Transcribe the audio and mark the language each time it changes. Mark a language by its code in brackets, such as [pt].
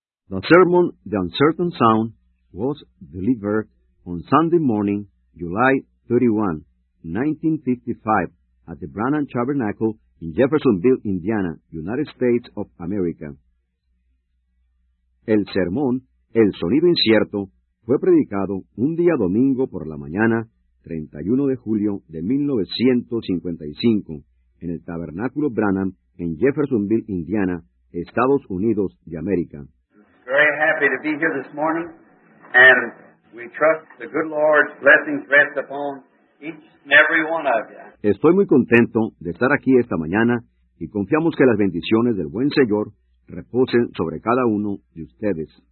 [en] The sermon, The Uncertain Sound, was delivered on Sunday morning, July 31, 1955, at the Branham Tabernacle in Jeffersonville, Indiana, United States of America. [es] El sermón, El Sonido Incierto, fue predicado un día domingo por la mañana, 31 de julio de 1955, en el Tabernáculo Branham en Jeffersonville, Indiana, Estados Unidos de América. [en] Very happy to be here this morning, and we trust the good Lord's blessings rest upon each and every one of you. [es] Estoy muy contento de estar aquí esta mañana, y confiamos que las bendiciones del buen Señor reposen sobre cada uno de ustedes.